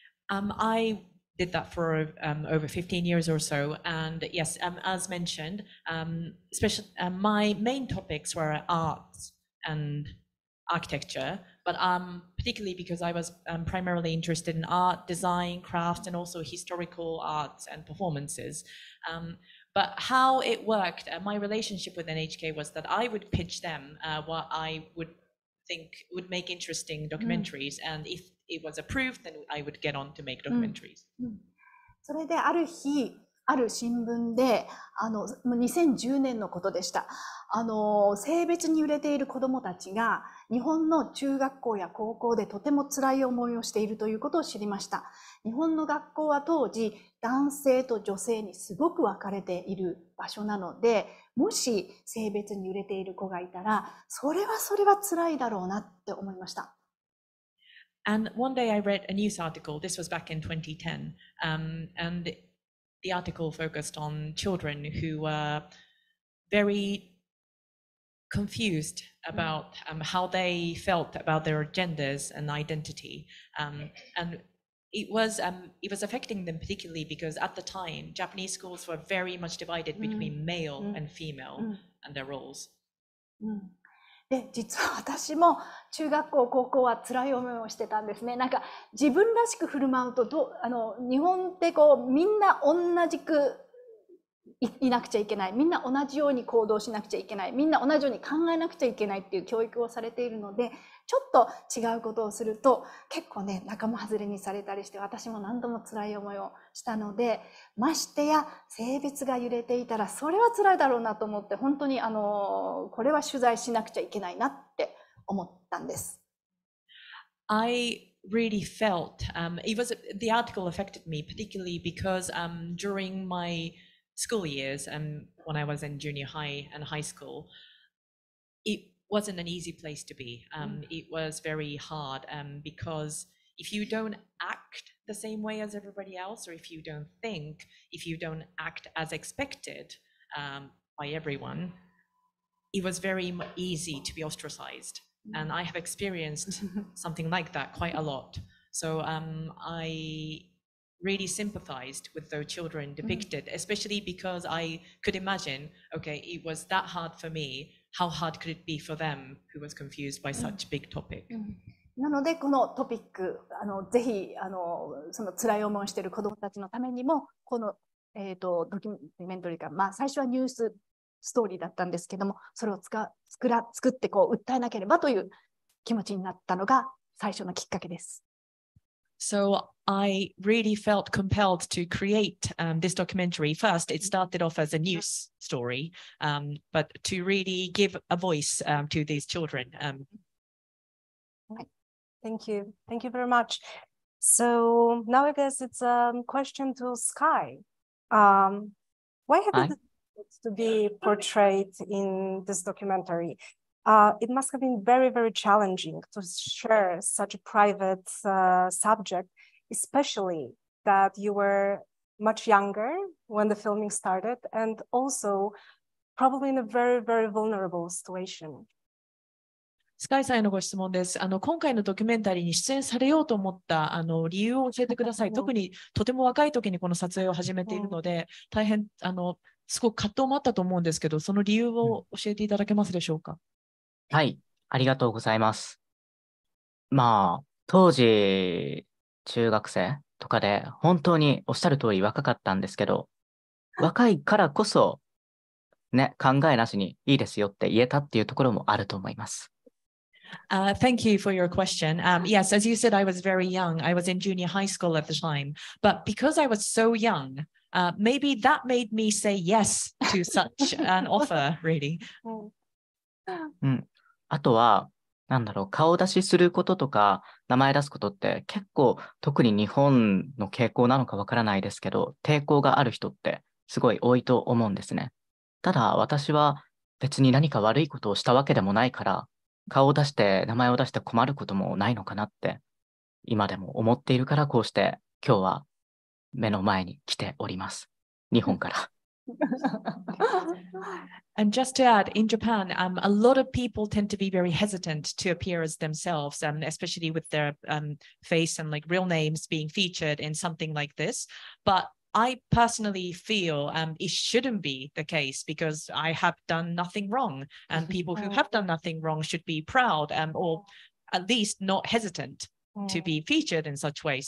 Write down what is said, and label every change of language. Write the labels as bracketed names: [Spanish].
[English] I did that for over 15 years or so, and yes, as mentioned, my main topics were arts and architecture, but particularly because I was primarily interested in art, design, craft, and also historical arts and performances. But how it worked, my relationship with NHK was that I would pitch them what I would think would make interesting documentaries, and if it was approved, then I would get on to make documentaries. [Japanese] それである日、ある新聞で、2010年のことでした。性別に揺れている子どもたちが日本の中学校や高校でとても辛い思いをしているということを知りました。日本の学校は当時男性と女性にすごく分かれている場所なので、もし性別に揺れている子がいたら、それはそれは辛いだろうなって思いました。 [English] And one day I read a news article. This was back in 2010. And the article focused on children who were very confused about how they felt about their genders and identity. And it was affecting them particularly because at the time, Japanese schools were very much divided between male and female and their roles. [Japanese] で実は私も中学校高校は辛い思いをしてたんですね。なんか自分らしく振る舞うとどう日本ってこうみんな同じくいなくちゃいけない、みんな同じように行動しなくちゃいけない、みんな同じように考えなくちゃいけないっていう教育をされているので、ちょっと違うことをすると結構ね仲間外れにされたりして、私も何度も辛い思いをしたので、ましてや性別が揺れていたらそれは辛いだろうなと思って、本当にこれは取材しなくちゃいけないなって思ったんです。 [English] I really felt it was the article affected me particularly because during my school years and when I was in junior high and high school, itWasn't an easy place to be. It was very hard because if you don't act the same way as everybody else, or if you don't think, if you don't act as expected by everyone, it was very easy to be ostracized. And I have experienced something like that quite a lot. So I really sympathized with those children depicted, especially because I could imagine, okay, it was that hard for me. How hard could it be for them who was confused by such big topic? [Japanese] なのでこのトピック、ぜひその辛い思いをしている子どもたちのためにも、この、ドキュメントリーか、まあ、最初はニュースストーリーだったんですけども、それを作ってこう訴えなければという気持ちになったのが最初のきっかけです。 [English] So I really felt compelled to create this documentary. First, it started off as a news story, but to really give a voice to these children. Thank you. Thank you very much. So now I guess it's a question to Sky. Why have you decided to be portrayed in this documentary? It must have been very, very challenging to share such a private subject, especially that you were much younger when the filming started, and also probably in a very, very vulnerable situation. [Japanese] Sky さんへのご質問です。今回のドキュメンタリーに出演されようと思った理由を教えてください。特にとても若い時にこの撮影を始めているので、大変すごく葛藤もあったと思うんですけど、その理由を教えていただけますでしょうか。はい、ありがとうございます。まあ、当時、中学生とかで、本当におっしゃる通り若かったんですけど、若いからこそ、ね、考えなしにいいですよって言えたっていうところもあると思います。 [English] Thank you for your question. Yes, as you said, I was very young. I was in junior high school at the time. But because I was so young, maybe that made me say yes to such an offer, really. [Japanese] あとは、なんだろう、顔出しすることとか名前出すことって結構特に日本の傾向なのかわからないですけど、抵抗がある人ってすごい多いと思うんですね。ただ私は別に何か悪いことをしたわけでもないから、顔を出して名前を出して困ることもないのかなって今でも思っているから、こうして今日は目の前に来ております、日本から。 [English] And just to add, in Japan, a lot of people tend to be very hesitant to appear as themselves, especially with their face and like real names being featured in something like this. But I personally feel it shouldn't be the case because I have done nothing wrong, and people who have done nothing wrong should be proud or at least not hesitant to be featured in such ways.